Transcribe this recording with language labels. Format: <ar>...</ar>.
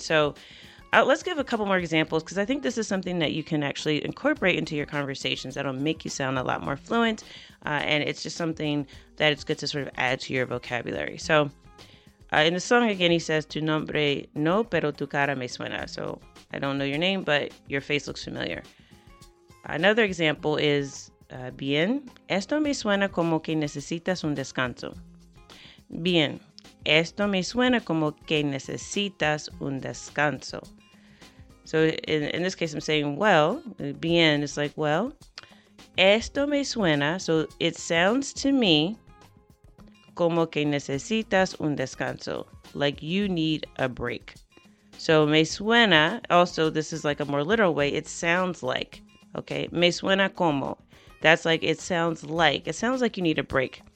<en>So let's give a couple more examples, because I think this is something that you can actually incorporate into your conversations that'll make you sound a lot more fluent. And it's just something that it's good to sort of add to your vocabulary. So in the song, again, he says,</en> <es>tu nombre no, pero tu cara me suena.</es> <en>So I don't know your name, but your face looks familiar. Another example is,</en> <es>bien, esto me suena como que necesitas un descanso. Bien, esto me suena como que necesitas un descanso.</es> <en>So in this case, I'm saying, well, bien, it's like, well,</en> <es>esto me suena.</es> <en>So it sounds to me</en> <es>como que necesitas un descanso,</es> <en>like you need a break. So</en> <es>me suena,</es> <en>also this is like a more literal way, it sounds like, okay,</en> <es>me suena como,</es> <en>that's like it sounds like you need a break.</en>